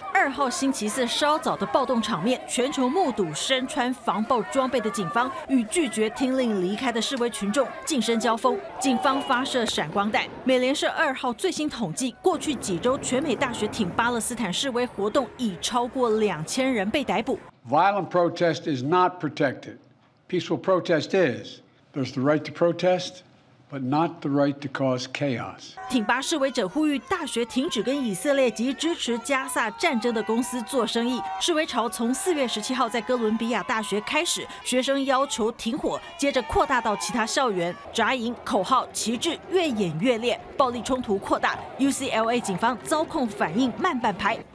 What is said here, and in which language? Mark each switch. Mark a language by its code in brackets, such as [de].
[zh] 二号星期四稍早的暴动场面，全球目睹身穿防暴装备的警方与拒绝听令离开的示威群众近身交锋，警方发射闪光弹。美联社二号最新统计，过去几周全美大学挺巴勒斯坦示威活动已超过2000人被逮捕。 [en] Violent protest is not protected. Peaceful protest is. There's the right to protest, but not the right to cause chaos. [zh] 挺巴示威者呼吁大学停止跟以色列及支持加萨战争的公司做生意。示威潮从4月17号在哥伦比亚大学开始，学生要求停火，接着扩大到其他校园，扎营、口号、旗帜越演越烈，暴力冲突扩大。UCLA 警方遭控反应慢半拍。